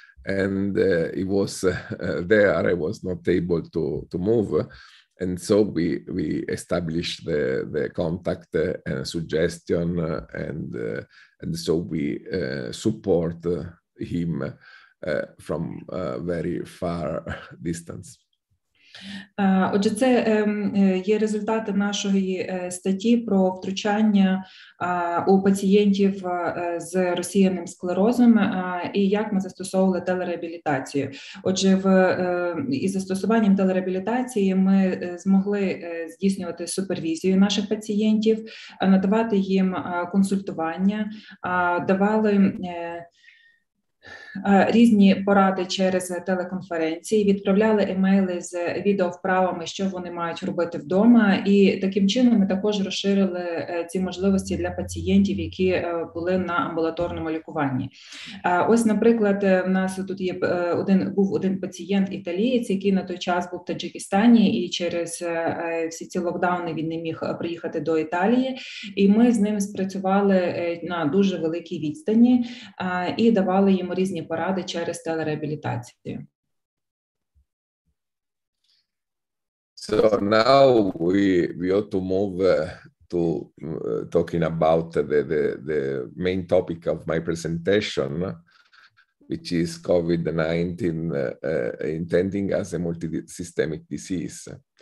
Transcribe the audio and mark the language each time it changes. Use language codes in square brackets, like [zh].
[en] And it was there, I was not able to move. And so we established the contact and suggestion, and so we support him from very far distance. [uk] Отже, це є результати нашої статті про втручання у пацієнтів з розсіяним склерозом і як ми застосовували телереабілітацію. Отже, із застосуванням телереабілітації ми змогли здійснювати супервізію наших пацієнтів, надавати їм консультування, давали різні поради через телеконференції, відправляли емейли з відеовправами, що вони мають робити вдома. І таким чином ми також розширили ці можливості для пацієнтів, які були на амбулаторному лікуванні. Ось, наприклад, в нас тут є був один пацієнт італієць, який на той час був в Таджикистані, і через всі ці локдауни він не міг приїхати до Італії. І ми з ним спрацювали на дуже великій відстані і давали йому різні поради через телереабілітацію. [en] So now we ought to move to talking about the main topic of my presentation, which is COVID-19 intending as a multisystemic disease.